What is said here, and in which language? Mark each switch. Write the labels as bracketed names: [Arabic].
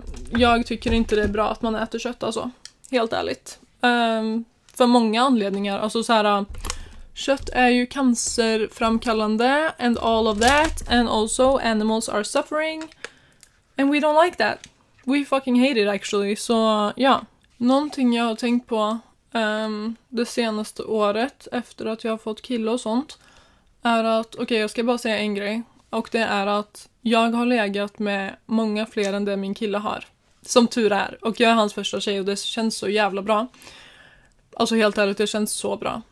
[Swedish] Jag tycker inte det är bra att man äter kött, alltså. Helt ärligt. För många anledningar. Alltså så här. Kött är ju cancerframkallande. [English] And all of that. And also animals are suffering. And we don't like that. We fucking hate it actually. [Swedish] Så ja. Någonting jag har tänkt på det senaste året. Efter att jag har fått kille och sånt. Är att. Okej, jag ska bara säga en grej. Och det är att. Jag har legat med många fler än det min kille har. Som tur är. Och jag är hans första tjej och det känns så jävla bra. Alltså helt ärligt, det känns så bra.